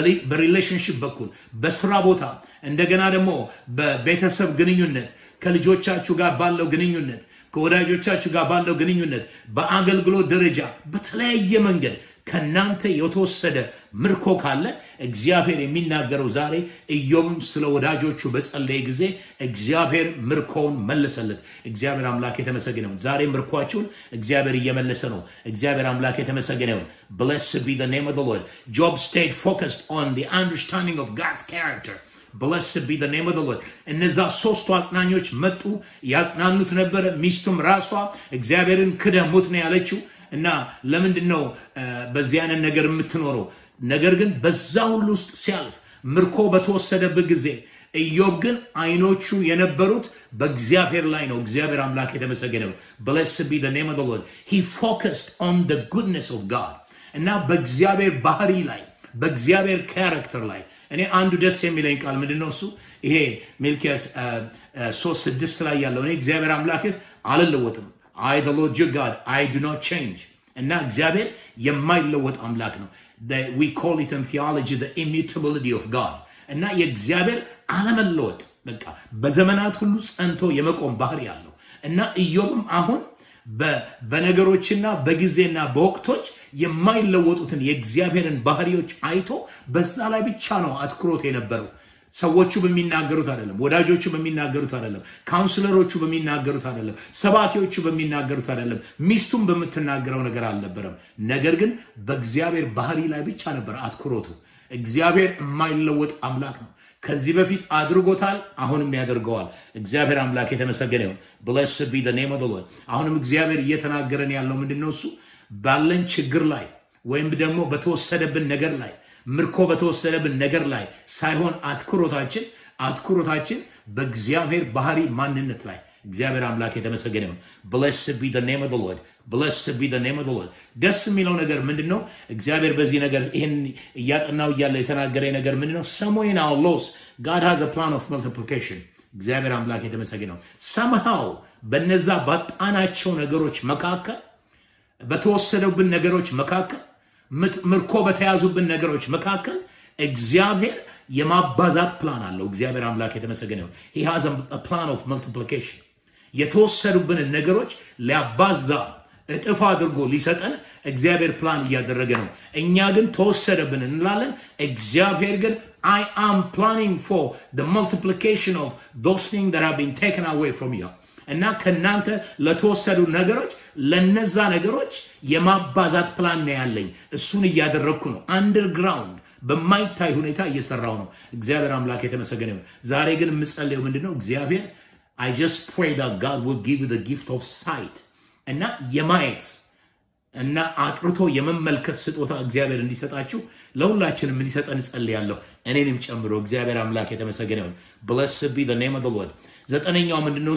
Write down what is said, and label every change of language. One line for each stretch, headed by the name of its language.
Amharic: በሪሌሽንሽፕ በኩል፣ በስራ ቦታ፣ እንደገና ደግሞ በቤተሰብ ግንኙነት፣ ከልጆቻችሁ ጋር ባለው ግንኙነት፣ ከወዳጆቻችሁ ጋር ባለው ግንኙነት፣ በአገልግሎት ደረጃ፣ በተለያየ መንገድ ከእናንተ የተወሰደ ምርኮ ካለ እግዚአብሔር የሚናገረው ዛሬ ኢዮብም ስለ ወዳጆቹ በጸለየ ጊዜ እግዚአብሔር ምርኮውን መለሰለት። እግዚአብሔር አምላክ የተመሰገነ ይሁን። ዛሬ ምርኳችሁን እግዚአብሔር እየመለሰ ነው። እግዚአብሔር አምላክ የተመሰገነ ይሁን።
English: Blessed be the name of the Lord. Job stayed focused on the understanding of God's character. Blessed be the name of the Lord.
Amharic: እነዛ ሶስቱ አጽናኞች መጡ፣ ያጽናኑት ነበር። ሚስቱም ራሷ እግዚአብሔርን ክደህ ሙት ነው ያለችው። እና ለምንድን ነው በዚያን ነገር የምትኖረው? ነገር ግን በዛ ሁሉ ውስጥ ሲያልፍ ምርኮ በተወሰደበት ጊዜ ኢዮብ ግን አይኖቹ የነበሩት በእግዚአብሔር ላይ ነው። እግዚአብሔር አምላክ የተመሰገነው።
English: Blessed be the name of the Lord. He focused on the goodness of God.
Amharic: እና በእግዚአብሔር ባህሪ ላይ፣ በእግዚአብሔር ካራክተር ላይ። እኔ አንዱ ደስ የሚለኝ ቃል ምንድነው እሱ? ይሄ ሜልኪያስ 3:6 ላይ ያለው እኔ እግዚአብሔር አምላክ አልለወጥም።
English: I, the Lord your God, I do not change.
Amharic: እና እግዚአብሔር የማይለወጥ አምላክ ነው።
English: We call it in theology the immutability of God.
Amharic: እና የእግዚአብሔር አለመለወጥ በቃ በዘመናት ሁሉ ጸንቶ የመቆም ባህሪ አለው። እና ኢዮብም አሁን በነገሮችና በጊዜና በወቅቶች የማይለወጡትን የእግዚአብሔርን ባህሪዎች አይቶ በዛ ላይ ብቻ ነው አትኩሮት የነበረው። ሰዎቹ በሚናገሩት አይደለም፣ ወዳጆቹ በሚናገሩት አይደለም፣ ካውንስለሮቹ በሚናገሩት አይደለም፣ ሰባኪዎቹ በሚናገሩት አይደለም፣ ሚስቱም በምትናገረው ነገር አልነበረም። ነገር ግን በእግዚአብሔር ባህሪ ላይ ብቻ ነበር አትኩሮቱ። እግዚአብሔር የማይለወጥ አምላክ ነው። ከዚህ በፊት አድርጎታል አሁንም ያደርጋል። እግዚአብሔር አምላክ የተመሰገነ ይሁን።
English: Blessed be the name of the Lord.
Amharic: አሁንም እግዚአብሔር እየተናገረን ያለው ምንድነው? እሱ ባለን ችግር ላይ ወይም ደግሞ በተወሰደብን ነገር ላይ ምርኮ በተወሰደብን ነገር ላይ ሳይሆን አትኩሮታችን በእግዚአብሔር ባህሪ ማንነት ላይ እግዚአብሔር አምላክ የተመሰገነ ይሁን።
English: Blessed be the name of the Lord. Blessed be the name of the Lord.
Amharic: ደስ የሚለው ነገር ምንድነው? እግዚአብሔር በዚህ ነገር ይሄን ያጠናው ይያለ የተናገረ ነገር ምንድነው?
English: Somehow in our loss, God has a plan of multiplication.
Amharic: እግዚአብሔር አምላክ የተመሰገነው somehow በነዛ ባጣናቸው ነገሮች መካከል በተወሰደብን ነገሮች መካከል ምርኮ በተያዙብን ነገሮች መካከል እግዚአብሔር የማባዛት ፕላን አለው። እግዚአብሔር አምላክ የተመሰገነው
English: He has a plan of multiplication.
Amharic: የተወሰዱብን ነገሮች ሊያባዛ እጥፍ አድርጎ ሊሰጠን እግዚአብሔር ፕላን እያደረገ ነው። እኛ ግን ተወሰደብን እንላለን። እግዚአብሔር ግን
English: I am planning for the multiplication of those things that have been taken away from you.
Amharic: እና ከናንተ ለተወሰዱ ነገሮች ለነዛ ነገሮች የማባዛት ፕላን ነው ያለኝ። እሱን እያደረኩ ነው። አንደርግራውንድ በማይታይ ሁኔታ እየሰራው ነው። እግዚአብሔር አምላክ የተመሰገነ ይሁን። ዛሬ ግን ምጸልየው ምንድነው?
English: እግዚአብሔር I just pray that God will give you the gift of sight.
Amharic: እና የማየት እና አጥርቶ የመመልከት ስጦታ እግዚአብሔር እንዲሰጣችሁ ለሁላችንም እንዲሰጠን ጸልያለሁ። እኔንም ጨምሮ እግዚአብሔር አምላክ የተመሰገነ ይሁን።
English: Blessed be the name of the Lord.
Amharic: ዘጠነኛው ምንድነው?